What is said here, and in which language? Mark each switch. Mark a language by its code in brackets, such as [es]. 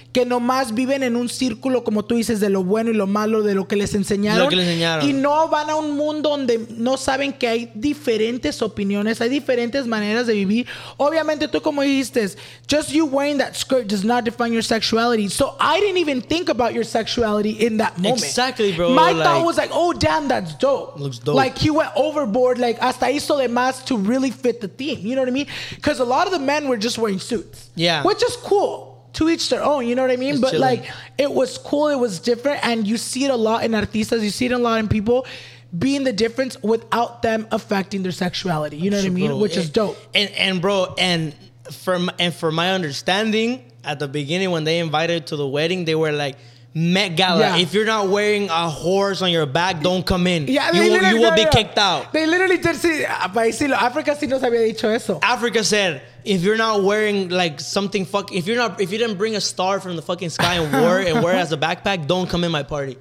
[es] que nomás viven en un círculo, como tú dices, de lo bueno y lo malo, de lo que les enseñaron. Lo que les enseñaron. Y no van a un mundo donde no saben que hay diferentes opiniones, hay diferentes maneras de vivir. Obviamente, tú como dijiste, [en] just you wearing that skirt does not define your sexuality. So I didn't even think about your sexuality in that moment. Exactly, bro. My like, thought was like, oh, damn, that's dope. Looks dope. Like, he went overboard, like, [es] hasta hizo de más [en] to really fit the theme. You know what I mean? Because a lot of the men were just wearing suits. Yeah. Which is cool. To each their own. You know what I mean? It's but chilling. Like, it was cool. It was different. And you see it a lot in artistas. You see it a lot in people being the difference without them affecting their sexuality. You know what I mean? Which is dope. And bro, for my understanding, at the beginning when they invited to the wedding, they were like, Met Gala. Yeah. If you're not wearing a horse on your back, don't come in. Yeah, you will be kicked out. They literally did see. [es] Africa sí nos había dicho eso. [en] Africa said, if you're not wearing like something, fuck. If you didn't bring a star from the fucking sky and wear it as a backpack, don't come in my party.